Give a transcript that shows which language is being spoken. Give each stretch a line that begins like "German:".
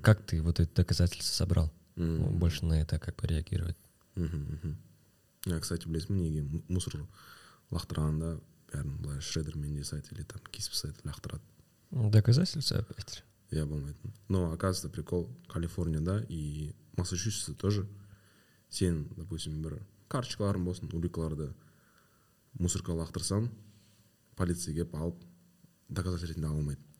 Russian: Как ты вот это доказательство собрал? Больше на это как реагировать? Я, кстати, блядь, мне мусор
Kazakh: лахтыранда бәрін былай шредермен жасайды или там кесіп тастайды, лақтырады.
Russian: Доказательство опять. Я помню. Но оказывается прикол
Kazakh: Калифорнияда
Russian: и Массачусетса тоже.
Kazakh: Сен, допустим, бір карточкаларың болсын, уликаларды мусорка лақтырсан, полицияға алып доказательство ретінде алмайды.